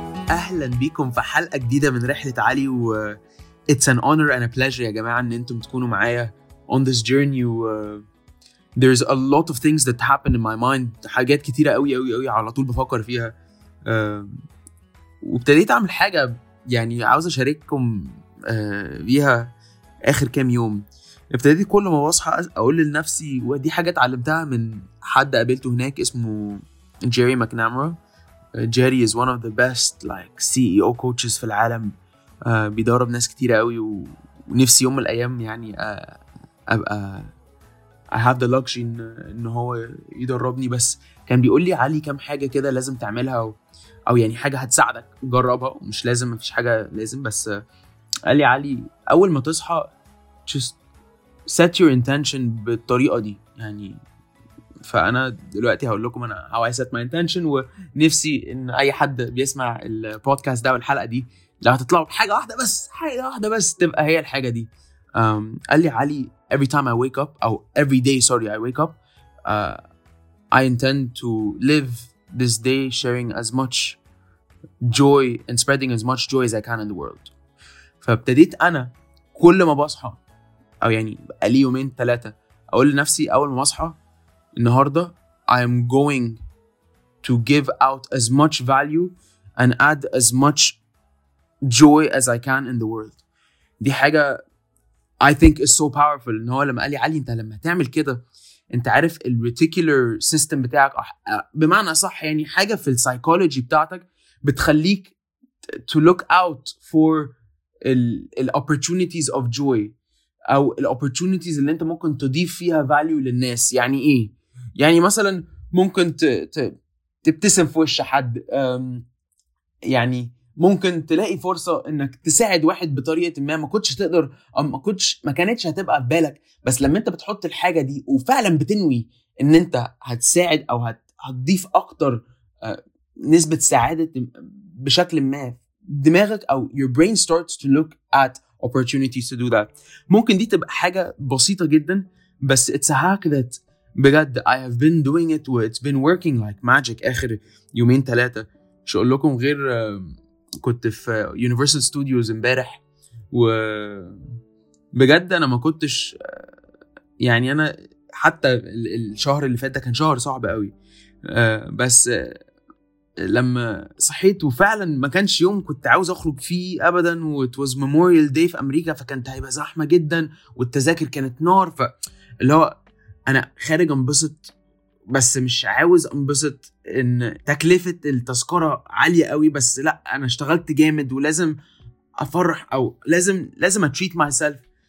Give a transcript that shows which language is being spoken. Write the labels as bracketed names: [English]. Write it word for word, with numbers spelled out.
[Arabic] أهلا بيكم في حلقة جديدة من رحلة علي [English] و It's an honor and a pleasure [Arabic] يا جماعة إن أنتم تكونوا معايا [English] on this journey و uh, there's a lot of things that happen in my mind. [Arabic] حاجات كتيرة أوي أوي أوي على طول بفكر فيها uh, وابتديت أعمل حاجة يعني عاوز أشارككم uh, بيها آخر كام يوم. ابتديت كل ما بصحى أقول لنفسي ودي حاجة اتعلمتها من حد قابلته هناك اسمه جيري ماكنامرا. [English] Jerry is one of the best like C E O coaches [Arabic] في العالم. uh, بيدرب ناس كتيرة قوي و... ونفسي يوم من الأيام يعني uh, أبقى [English] I have the luxury [Arabic] إن... إن هو يدربني. بس كان بيقول لي علي كم حاجة كده لازم تعملها و... أو يعني حاجة هتساعدك جربها، مش لازم مفيش حاجة لازم، بس uh, قال لي علي أول ما تصحى [English] just set your intention [Arabic] بالطريقة دي يعني. فأنا دلوقتي هقول لكم أنا [English] how I set my intention، [Arabic] ونفسي إن أي حد بيسمع البودكاست ده والحلقة دي لو هتطلعوا بحاجة واحدة بس حاجة واحدة بس تبقى هي الحاجة دي. [English] um, [Arabic] قال لي علي [English] every time I wake up أو every day sorry I wake up uh, I intend to live this day sharing as much joy and spreading as much joy as I can in the world. [Arabic] فابتديت أنا كل ما بصحى أو يعني بقى لي يومين ثلاثة أقول لنفسي أول ما أصحى النهاردة [English] I am going to give out as much value and add as much joy as I can in the world. [Arabic] دي حاجة [English] I think is so powerful. [Arabic] إن هو لما قال لي علي أنت لما تعمل كده أنت عارف ال reticular system بتاعك، بمعنى صح يعني حاجة في ال psychology بتاعتك بتخليك [English] to look out for [Arabic] ال [English] opportunities of joy [Arabic] أو ال opportunities اللي أنت ممكن تضيف فيها value للناس. يعني إيه؟ يعني مثلا ممكن ت... ت... تبتسم في وش حد، يعني ممكن تلاقي فرصة انك تساعد واحد بطريقة ما ما كنتش تقدر او ما كنتش ما كانتش هتبقى في بالك، بس لما انت بتحط الحاجة دي وفعلا بتنوي ان انت هتساعد او هت... هتضيف اكتر نسبة سعادة بشكل ما، دماغك او [English] your brain starts to look at opportunities to do that. [Arabic] ممكن دي تبقى حاجة بسيطة جدا بس [English] it's a hack that بجد I have been doing it و it's been working like magic [Arabic] آخر يومين ثلاثة. مش أقول لكم غير كنت في Universal Studios امبارح وبجد أنا ما كنتش يعني أنا حتى الشهر اللي فات ده كان شهر صعب قوي، بس لما صحيت وفعلا ما كانش يوم كنت عاوز أخرج فيه أبدا و [English] it was Memorial Day [Arabic] في أمريكا، فكانت هيبقى زحمة جدا والتذاكر كانت نار، فاللي هو انا خارج انبسط بس مش عاوز انبسط ان تكلفة التذكرة عالية قوي، بس لا انا اشتغلت جامد ولازم افرح او لازم لازم [English] اتريت myself.